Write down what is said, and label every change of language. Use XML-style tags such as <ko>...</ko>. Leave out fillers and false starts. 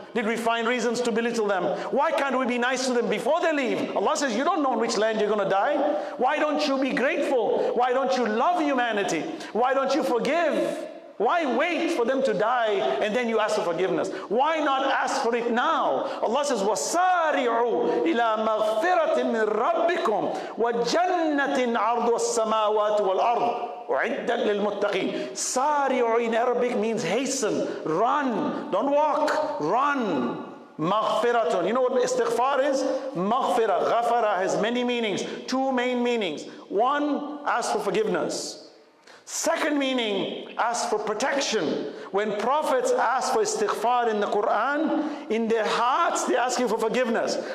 <en>Did we find reasons to belittle them? Why can't we be nice to them before they leave? Allah says, you don't know on which land you're going to die. Why don't you be grateful? Why don't you love humanity? Why don't you forgive? Why wait for them to die and then you ask for forgiveness? Why not ask for it now? Allah says,</en> <ar>وَسَارِعُوا إِلَىٰ مَغْفِرَةٍ مِّن رَبِّكُمْ وَجَنَّةٍ عَرْضُ السَّمَاوَاتُ وَالْأَرْضُ وَعِدَّ لِلْمُتَّقِينَ.</ar> <en>سَارِعُوا in Arabic means hasten, run, don't walk, run.</en> <ar>مَغْفِرَةٌ.</ar> <en>You know what istighfar is?</en> <ar>مَغْفِرَة.</ar> <en>غَفَرَة has many meanings, 2 main meanings. One, ask for forgiveness. Second meaning, ask for protection. When prophets ask for istighfar in the Quran, in their hearts they're asking for forgiveness.</en>